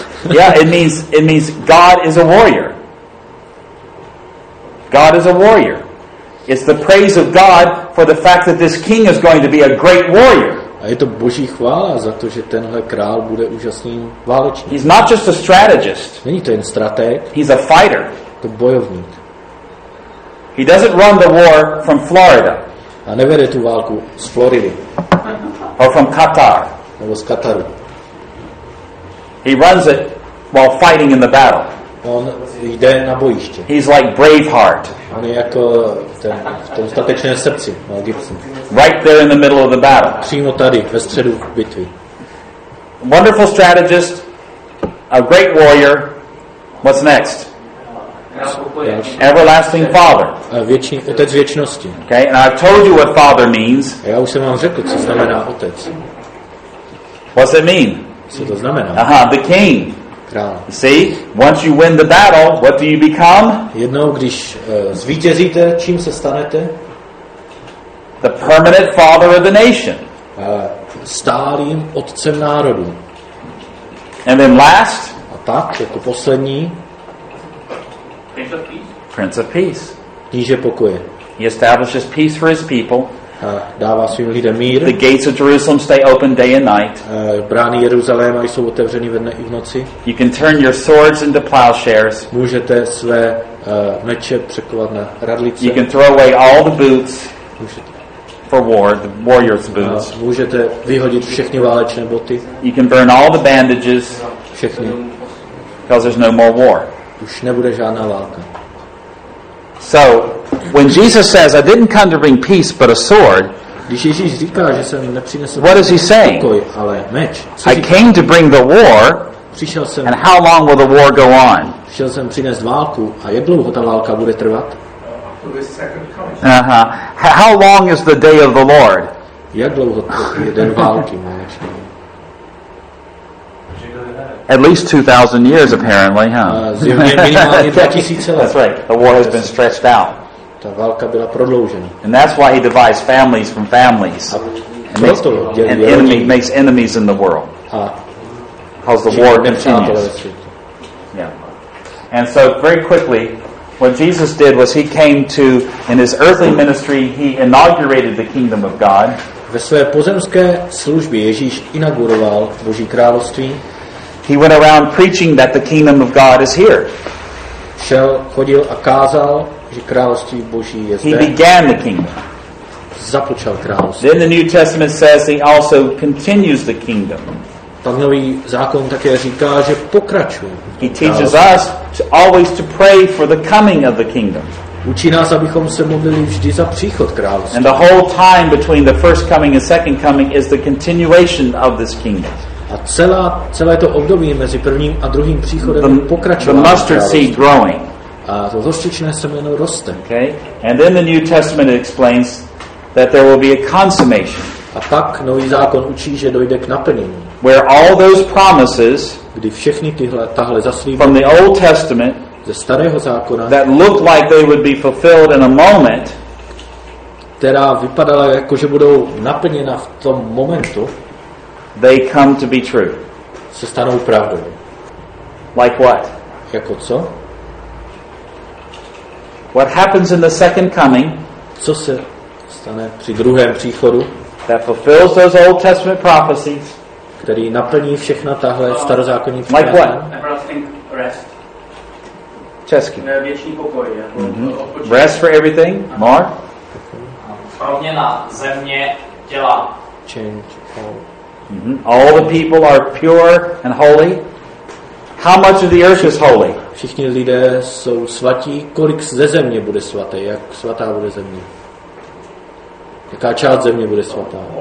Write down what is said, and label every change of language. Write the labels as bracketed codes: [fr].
[en] Yeah, it means God is a warrior. God is a warrior. It's the praise of God for the fact that this king is going to be a great warrior. [cs] A je to boží chvála za to, že tenhle král bude úžasným válečníkem. [en] He's not just a strategist. [cs] Není to jen strateg. [en] He's a fighter. [cs] To je bojovník. [en] He doesn't run the war from Florida. [cs] A nevede tu válku z Floridy. [en] Or from Qatar. [cs] Nebo z Kataru. [en] He runs it while fighting in the battle. [cs] On jde na bojiště. [en] He's like Braveheart. [cs] On je jako ten, v tom statečném srdci, Mel Gibson. [en] Right there in the middle of the battle. [cs] Přímo tady, ve středu bitvy. [en] Wonderful strategist, a great warrior. What's next? Everlasting Father. [cs] Otec věčnosti. [en] Okay, and I've told you what Father means. [cs] Já už jsem vám řekl, co znamená otec. [en] What's it mean? [cs] Co to znamená? [en] The king. [cs] Král. [en] See, once you win the battle, what do you become? [cs] Jednou, když zvítězíte, čím se stanete? [en] The permanent father of the nation. [cs] Stálým otcem národů. [en] And then last. [cs] A tak, jako poslední. [en] Prince of peace. [cs] Kníže pokoje. [en] He establishes peace for his people. [cs] Dává svým lidem mír. [en] The gates of Jerusalem stay open day and night. [cs] Brány Jeruzaléma jsou otevřeny ve dne i v noci. [en] You can turn your swords into plowshares. [cs] Můžete své meče překovat na radlice. [en] You can throw away all the boots. For war, the warrior's boots. [cs] Můžete vyhodit všechny válečné boty. [en] You can burn all the bandages. [cs] Všechny. [en] Because there's no more war. [cs] Už nebude žádná válka. [en] So when Jesus says, "I didn't come to bring peace, but a sword," [cs] když Ježíš říká, že jsem nepřinesl, [en] what is he saying? [cs] Pokoj, ale meč. [en] I came to bring the war. [cs] Přišel jsem. [en] And how long will the war go on? [cs] Přišel jsem přinést válku. A jak dlouho ta válka bude trvat? [en] How long is the day of the Lord? [cs] Jak dlouho je den války? [en] At least 2,000 years, apparently, huh? That's right. The war has been stretched out. [cs] Ta válka byla prodloužena. [en] And that's why he divides families from families. And enemy makes enemies in the world. Because the war continues. And so, very quickly, what Jesus did was he came to, in his earthly ministry, he inaugurated the kingdom of God. [cs] Ve své pozemské službě Ježíš inauguroval Boží království. [en] He went around preaching that the kingdom of God is here. [cs] Šel, chodil a kázal, že království Boží je zde. [en] He began the kingdom. [cs] Započal království. [en] Then the New Testament says he also continues the kingdom. [cs] Tam nový zákon také říká, že pokračuje. [en] He teaches us to always to pray for the coming of the kingdom. [cs] Učí nás, abychom se modlili vždy za příchod království. [en] And the whole time between the first coming and second coming is the continuation of this kingdom. [cs] A celé to období mezi prvním a druhým příchodem pokračuje. [en] The mustard seed growing. [cs] A to hořčičné semeno roste. [en] Okay. And then the New Testament explains that there will be a consummation. [cs] A pak nový zákon učí, že dojde k naplnění. [en] Where all those promises, [cs] kdy všechny tahle zaslíbení [en] from the Old Testament, [cs] ze starého zákona, [en] that looked like they would be fulfilled in a moment, [cs] která vypadala jako že budou naplněna v tom momentu. [en] They come to be true. [cs] Se stanou pravdou. [en] Like what? [cs] Jako co? [en] What happens in the second coming? [cs] Co se stane při druhém příchodu? [en] That fulfills those Old Testament prophecies. [cs] Který naplní všechna tahle starozákonní přikázání. [en] Like what? Everlasting rest. [cs] Česky. Věčný pokoj. Mm-hmm. [en] Rest for everything. More. [cs] Proměna země těla. [en] Change all. Mm-hmm. All the people are pure and holy. How much of the earth is holy? [cs] Všichni lidé jsou svatí. Kolik ze země bude svaté? Jak svatá bude země? Jaká část země bude svatá?